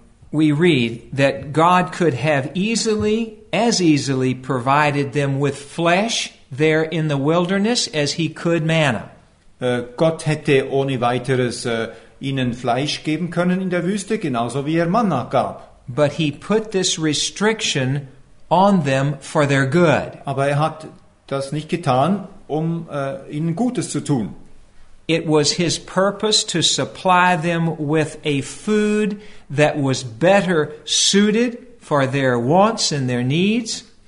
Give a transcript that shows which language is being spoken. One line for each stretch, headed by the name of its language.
English: We read that God could have as easily provided them with flesh there in the wilderness as he could manna.
German: Gott hätte ohne weiteres ihnen Fleisch geben können in der Wüste, genauso wie er Manna gab.
English: But he put this restriction on them for their good.
German: Aber er hat das nicht getan, um ihnen Gutes zu tun.
English: It was his purpose to supply them with a food that was better suited for their wants and their needs.